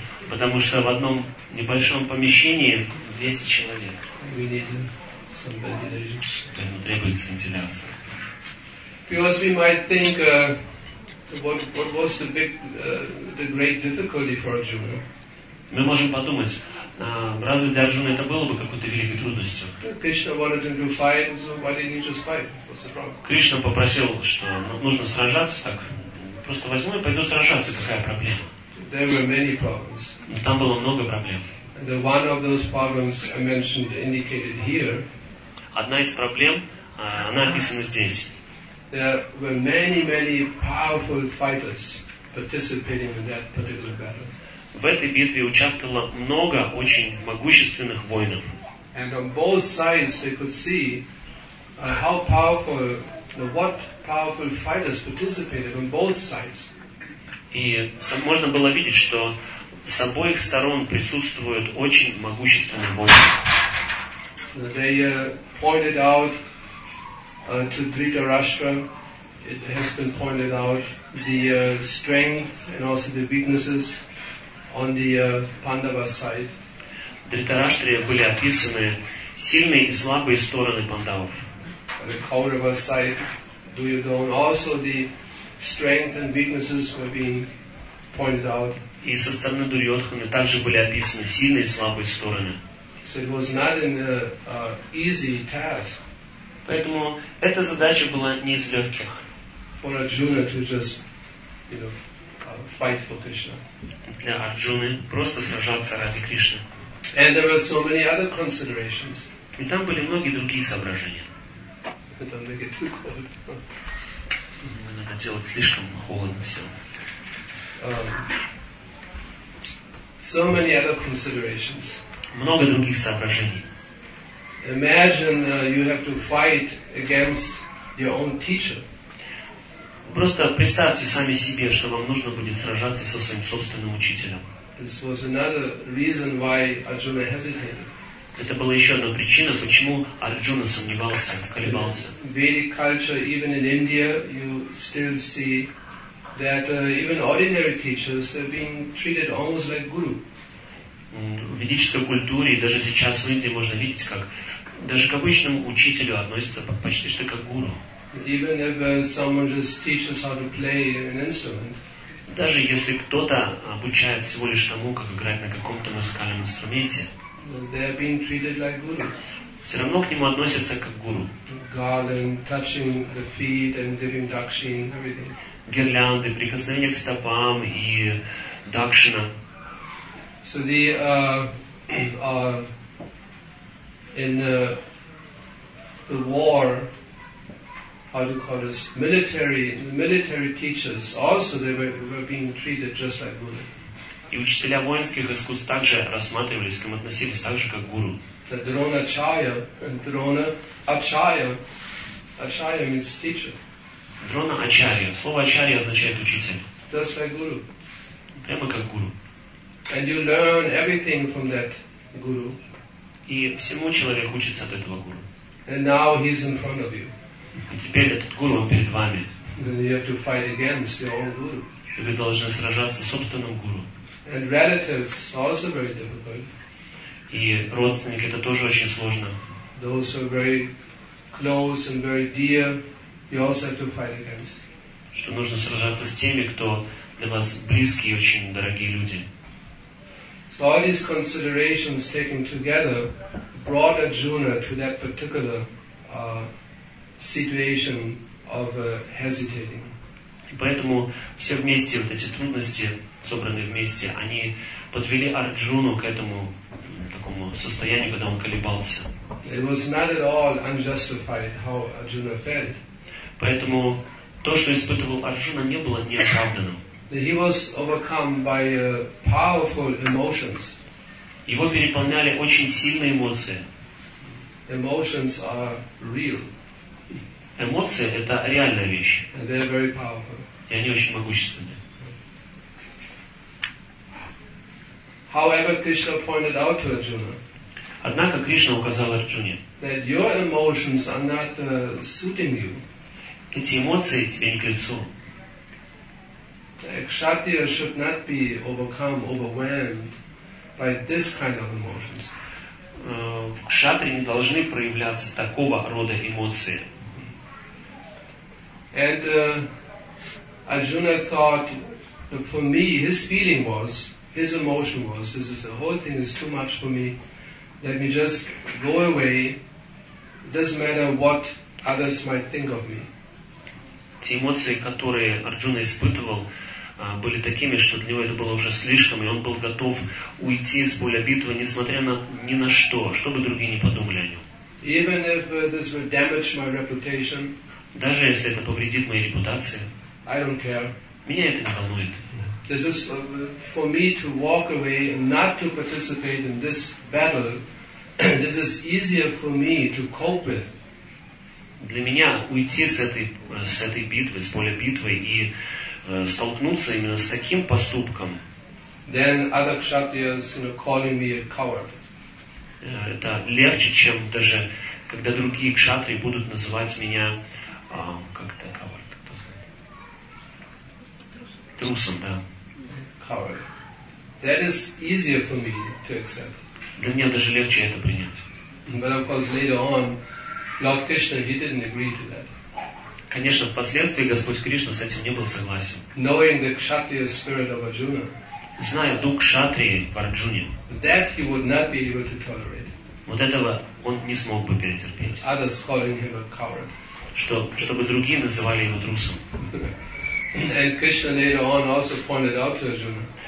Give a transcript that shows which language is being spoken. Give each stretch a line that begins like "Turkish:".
Russian: Потому что в одном небольшом помещении 200 человек. Ему требуется вентиляция.
English: Because we might think, what was the big, the great difficulty for Arjuna?
Russian: Мы можем подумать, разве для Арджуны это было бы какой-то великой трудностью?
English: Krishna wanted him to fight, so why didn't he just fight? What's the problem?
Russian: Кришна попросил, что нужно сражаться, так просто возьму и пойду сражаться, какая проблема?
English: There were many problems.
Russian: Но там было много проблем.
English: And one of those problems I mentioned indicated here.
Russian: Одна из проблем, она описана здесь.
English: There were many, many powerful fighters participating in that particular battle.
Russian: В этой битве участвовало много очень могущественных воинов.
English: And on both sides they could see how powerful, what powerful fighters participated on both sides.
Russian: И можно было видеть, что с обоих сторон присутствуют очень могущественные воины.
English: They pointed out to Dhritarashtra, it has been pointed out the strength and also the weaknesses on the Pandava side.
Russian: Dhritarashtra были описаны сильные и слабые стороны пандавов.
English: On the Kaurava side, Duryodhana, also the strength and weaknesses were being pointed out.
Russian: И со стороны Дурьотханы также были описаны сильные и слабые стороны.
English: So it was not an easy task.
Russian: Поэтому эта задача была не из легких.
English: For Arjuna to just, you know, fight for Krishna.
Russian: Для Арджуны просто сражаться ради Кришны.
English: And there were so many other considerations.
Russian: И там были многие другие соображения.
English: I don't make it too cold.
Russian: Надо делать слишком холодно все.
English: So many other considerations.
Russian: Много других соображений.
English: Imagine you have to fight against your own teacher.
Russian: Просто представьте сами себе, что вам нужно будет сражаться со своим собственным учителем.
English: This was another reason why Arjuna hesitated.
Russian: Это была еще одна причина, почему Арджуна сомневался, колебался.
English: In Vedic culture, even in India, you still see that even ordinary teachers are being treated almost like guru.
Russian: В ведической культуре, даже сейчас в Индии можно видеть, как даже к обычному учителю относится почти что как к гуру.
English: Even if someone just teaches how to play an instrument.
Russian: Даже если кто-то обучает всего лишь тому, как играть на каком-то музыкальном инструменте,
English: they are being treated like guru.
Russian: Все равно к нему относятся как к гуру.
English: Garland, touching the feet and giving dakshin, everything.
Russian: Гирлянды, прикосновение к стопам и дакшина.
English: So the in the war, how do you call this? Military teachers also they were being treated just like guru.
Russian: И учителя воинских искусств также рассматривались, к ним относились также как гуру.
English: The Drona Acharya means teacher.
Russian: Drona Acharya. Слово Acharya означает учитель.
English: Just like guru.
Russian: Прямо как гуру.
English: And you learn everything from that guru.
Russian: И всему человек учится от этого гуру.
English: And now he's in front of you.
Russian: И теперь этот гуру перед вами.
English: Then you have to fight against your own guru.
Russian: И вы должны сражаться с собственным гуру.
English: And relatives also very difficult.
Russian: И родственники это тоже очень сложно.
English: Those who are very close and very dear, you also have to fight against.
Russian: Что нужно сражаться с теми, кто для вас близкие и очень дорогие люди.
English: So all these considerations taken together brought Arjuna to that particular situation of hesitating.
Russian: И поэтому все вместе вот эти трудности, собранные вместе, они подвели Арджуну к этому такому состоянию, когда он колебался.
English: It was not at all unjustified how Arjuna felt.
Russian: Поэтому то, что испытывал Арджуна, не было неоправданным.
English: He was overcome by powerful emotions.
Russian: Его переполняли очень сильные эмоции.
English: Emotions are real.
Russian: Эмоции — это реальная вещь.
English: And they are very powerful.
Russian: И они очень могущественные.
English: However, Krishna pointed out to Arjuna.
Russian: Однако Кришна указал Арджуне.
English: That your emotions are not suiting you.
Russian: Эти эмоции тебе не к лицу.
English: A kshatriya should not be overwhelmed by this kind of emotions.
Russian: В кшатрии не должны проявляться такого рода эмоции.
English: And Arjuna thought, for me, his feeling was, his emotion was, this is the whole thing is too much for me. Let me just go away. It doesn't matter what others might think of me.
Russian: Те эмоции, которые Арджуна испытывал, были такими, что для него это было уже слишком, и он был готов уйти с поля битвы, несмотря на ни на что, чтобы другие не подумали о нем.
English: Even if this will damage my reputation,
Russian: даже если это повредит моей репутации,
English: I don't care.
Russian: Меня это не волнует.
English: This is for me to walk away and not to participate in this battle. This is easier for me to cope with.
Russian: Для меня уйти с этой битвы, с поля битвы и столкнуться именно с таким поступком.
English: Then other kshatriyas, you know, calling me a coward.
Russian: Это легче, чем даже когда другие кшатри будут называть меня, как это, coward, кто знает? Трусом, да.
English: Coward. That is easier for me to accept.
Russian: Для меня даже легче это принять.
English: But of course, later on, Lord Krishna, he didn't agree to that.
Russian: Конечно, впоследствии Господь Кришна с этим не был согласен.
English: Knowing the kshatriya spirit of Arjuna,
Russian: зная дух кшатрии в Арджуне,
English: that he would not be able to tolerate.
Russian: Вот этого он не смог бы перетерпеть.
English: Others calling him a coward.
Russian: Чтобы другие называли его трусом.
English: And Krishna later on also pointed out to Arjuna.